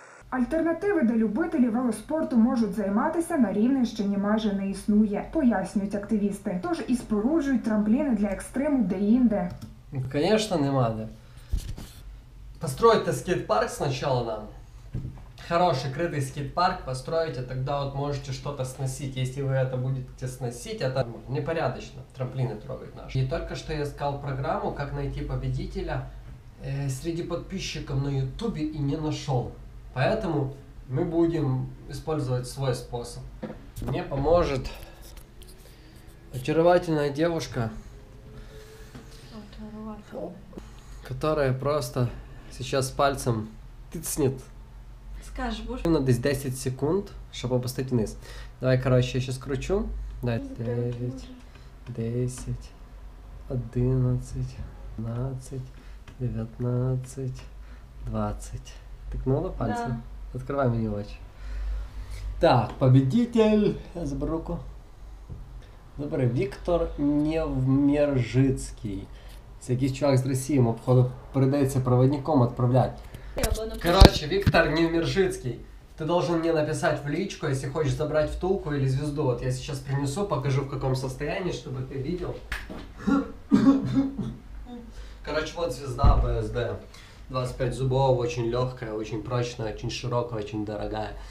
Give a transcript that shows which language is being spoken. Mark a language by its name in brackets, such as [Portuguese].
[Ukrainian] Альтернативи, де любителі велоспорту можуть займатися, на Рівненщині майже не існує, пояснюють активісти. Тож і споруджують трампліни для екстриму деінде. Звісно, нема де. [Russian] Постройте скейт-парк спочатку нам. Хороший крытый скейт-парк построить, а тогда вот можете что-то сносить. Если вы это будете сносить, это непорядочно. Трамплины трогать наши. И только что я искал программу, как найти победителя среди подписчиков на Ютубе и не нашел. Поэтому мы будем использовать свой способ. Мне поможет очаровательная девушка, которая просто сейчас пальцем тыцнет. Скажешь, нужно 10 секунд, чтобы опустить вниз. Давай, короче, я сейчас кручу. Дай 9, 10, 11, 12, 19, 20. Тыкнула пальцем? Да. Открывай мне очи. Так, победитель. Я заберу руку. [Ukrainian] Добре, Виктор Невмержицкий. Це якийсь чувак з Росії, йому, походу, придеться проводником відправляти. [Russian] Короче, Виктор Невмержицкий, ты должен мне написать в личку, если хочешь забрать втулку или звезду. Вот я сейчас принесу, покажу в каком состоянии, чтобы ты видел. Короче, вот звезда БСД. 25 зубов, очень легкая, очень прочная, очень широкая, очень дорогая.